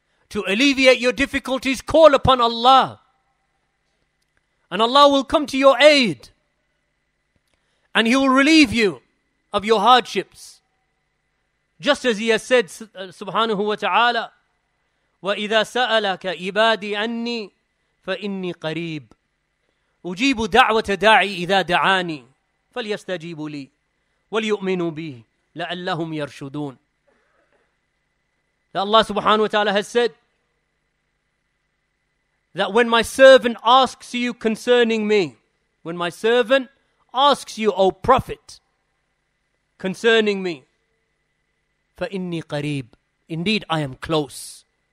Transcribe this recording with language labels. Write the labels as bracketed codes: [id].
[en] To alleviate your difficulties, call upon Allah. And Allah will come to your aid. And He will relieve you of your hardships. Just as he has said, subhanahu wa ta'ala, [ar] وَإِذَا سَأَلَكَ عِبَادِي أَنِّي فَإِنِّي قَرِيبٌ. أجيب دعوة داعي إذا دعاني فليستجيبوا لي وليؤمنوا بي لعلهم يرشدون. [en] That Allah subhanahu wa ta'ala has said that when my servant asks you concerning me, when my servant asks you, O Prophet, concerning me, [ar] فإني قريب, [en] indeed I am close.